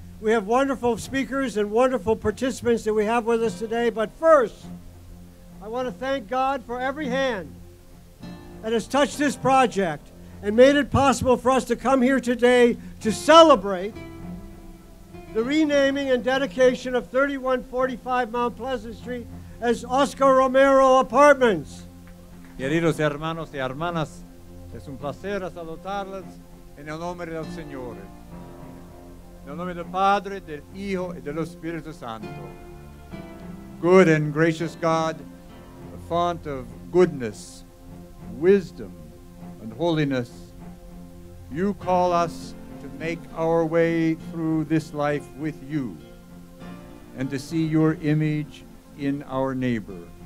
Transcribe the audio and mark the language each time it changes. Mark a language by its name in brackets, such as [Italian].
[English] We have wonderful speakers and wonderful participants that we have with us today, but first, I want to thank God for every hand that has touched this project and made it possible for us to come here today to celebrate the renaming and dedication of 3145 Mount Pleasant Street as Oscar Romero Apartments. [Spanish] Queridos hermanos y hermanas, es un placer saludarles en el nombre del Señor. En el nombre del Padre, del Hijo, y del Espíritu Santo. [English] Good and gracious God, the font of goodness, wisdom, and holiness, you call us to make our way through this life with you and to see your image in our neighbor.